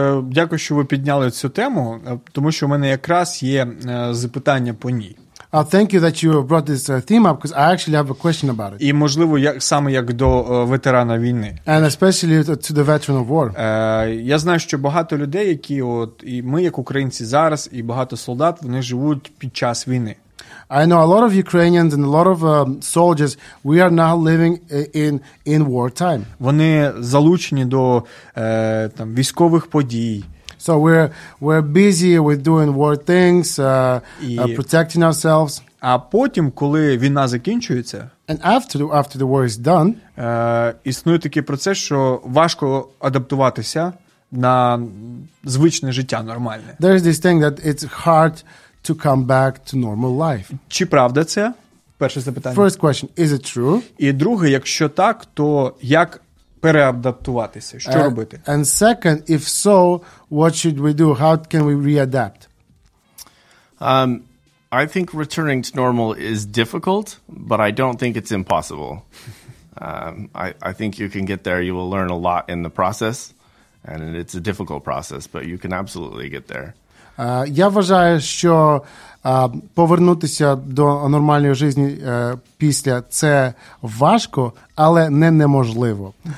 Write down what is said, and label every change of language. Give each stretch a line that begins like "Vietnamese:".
Ukrainian: Дякую, що ви підняли цю тему, тому що в мене якраз є запитання по ній.
English: Thank you that you brought this theme up, because I actually have a question about it.
Ukrainian: І, можливо, саме як до ветерана війни.
English: And especially to the veteran of war.
Ukrainian: Я знаю, що багато людей, які от, і ми, як українці зараз, і багато солдат, вони живуть під час війни.
English: I know a lot of Ukrainians and a lot of soldiers, we are now living in wartime.
Ukrainian: Вони залучені до там військових подій.
English: So we're busy with doing war things, protecting ourselves.
Ukrainian: А потім, коли війна закінчується,
English: and after the war is done,
Ukrainian: існує такий процес, що важко адаптуватися на звичне життя нормальне.
English: There is this thing that it's hard to come back to normal life.
Ukrainian: Чи правда це? перше запитання.
English: First question, is it true?
Ukrainian: І друге, якщо так, то як переадаптуватися? Що робити?
English: And second, if so, what should we do? How can we readapt? I think returning to normal is difficult, but I don't think it's impossible. I think you can get there. You will learn a lot in the process, and it's a difficult process, but you can absolutely get there.
Ukrainian: Я вважаю, що повернутися до нормальної житті після – це важко, але не неможливо.